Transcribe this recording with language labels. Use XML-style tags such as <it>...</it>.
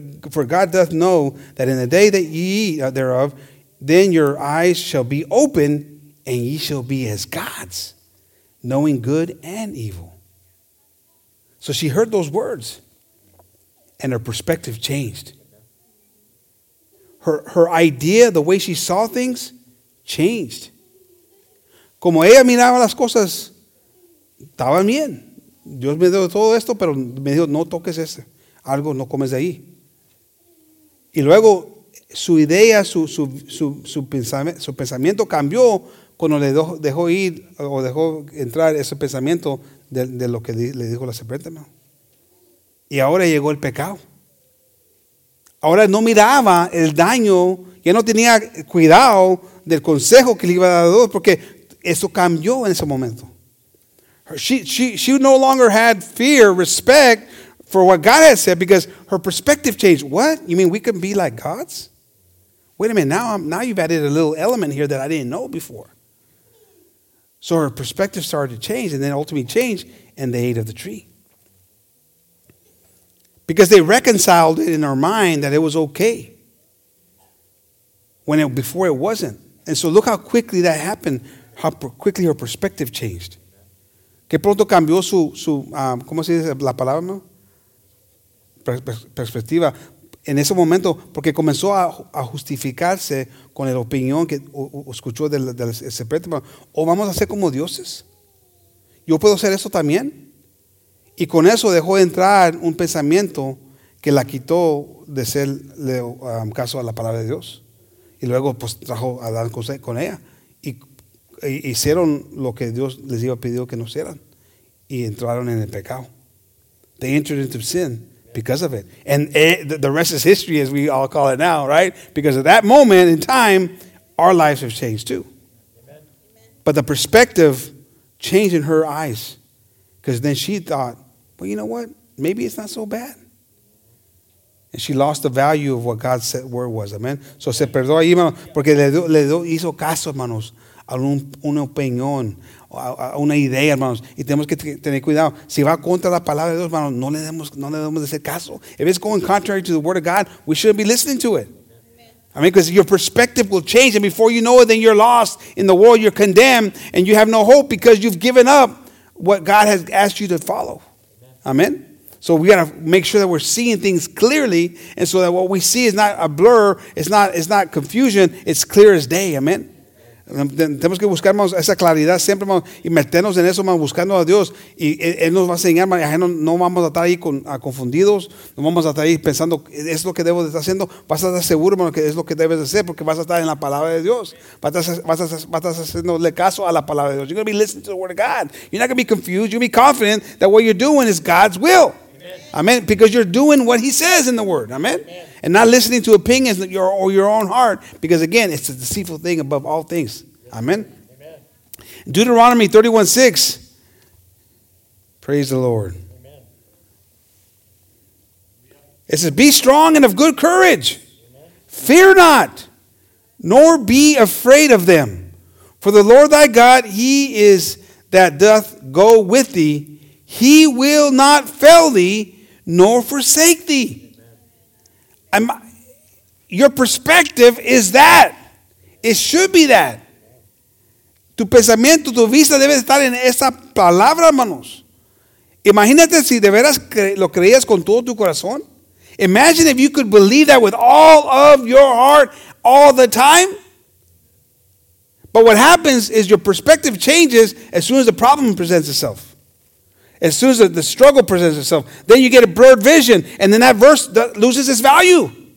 <en>For God doth know that in the day that ye eat thereof, then your eyes shall be open, and ye shall be as gods, knowing good and evil. So she heard those words, and her perspective changed. Her idea, the way she saw things, changed.</en> <es>Como ella miraba las cosas, estaba bien. Dios me dio todo esto, pero me dijo, no toques eso. Algo no comes de ahí. Y luego, su idea, su pensamiento cambió cuando le dejó ir o dejó entrar ese pensamiento de lo que le dijo la serpiente, hermano. Y ahora llegó el pecado. Ahora no miraba el daño, ya no tenía cuidado del consejo que le iba a dar a Dios, porque eso cambió en ese momento.</es> <en>She no longer had fear, respect for what God had said, because her perspective changed. What? You mean we can be like gods? Wait a minute, now you've added a little element here that I didn't know before. So her perspective started to change, and then ultimately changed, and they ate of the tree. Because they reconciled it in their mind that it was okay. Before it wasn't. And so look how quickly that happened, how quickly her perspective changed.</en> <es>¿Qué pronto cambió ¿cómo se dice la palabra, no? Perspectiva. En ese momento, porque comenzó a justificarse con la opinión que escuchó del serpiente. ¿O vamos a ser como dioses? ¿Yo puedo hacer eso también? Y con eso dejó de entrar un pensamiento que la quitó de hacerle caso a la palabra de Dios. Y luego pues trajo a Adán con ella. Y hicieron lo que Dios les iba a pedir que no hicieran. Y entraron en el pecado.</es> <en>They entered into sin because of it. And the rest is history, as we all call it now, right? Because at that moment in time, our lives have changed too. But the perspective changed in her eyes. Because then she thought, well, you know what? Maybe it's not so bad. And she lost the value of what God said word was. Amen.</en> <es>So se perdió ahí, hermano, porque le hizo caso, hermanos, a una opinión, a una idea, hermanos. Y tenemos que tener cuidado. Si va contra la palabra de Dios, hermanos, no le demos ese caso.</es> <en>If it's going contrary to the word of God, we shouldn't be listening to it. I mean, because your perspective will change. And before you know it, then you're lost in the world. You're condemned and you have no hope because you've given up what God has asked you to follow. Amen. So we gotta make sure that we're seeing things clearly, and so that what we see is not a blur, it's not confusion, it's clear as day. Amen.</en> <es>Tenemos que buscar, hermanos, esa claridad siempre, hermanos, y meternos en eso, hermanos, buscando a Dios. Y Él nos va a enseñar, hermanos, no vamos a estar ahí confundidos, no vamos a estar ahí pensando, es lo que debo de estar haciendo. Vas a estar seguro, hermano, que es lo que debes de hacer, porque vas a estar en la palabra de Dios. Vas a estar haciéndole caso a la palabra de Dios.</es> <en>You're going to be listening to the word of God. You're not going to be confused. You're going to be confident that what you're doing is God's will. Amen. Because you're doing what He says in the Word. Amen. And not listening to opinions that your or your own heart, because again, it's a deceitful thing above all things. Amen. Amen. Deuteronomy 31:6. Praise the Lord. Amen. It says, "Be strong and of good courage. Fear not, nor be afraid of them. For the Lord thy God, He is that doth go with thee. He will not fail thee, nor forsake thee." Your perspective is that. It should be that.</en> <es>Tu pensamiento, tu vista debe estar en esa palabra, hermanos. Imagínate si de veras lo creías con todo tu corazón.</es> <en>Imagine if you could believe that with all of your heart all the time. But what happens is your perspective changes as soon as the problem presents itself. As soon as the struggle presents itself, then you get a blurred vision, and then that verse loses its value.</en>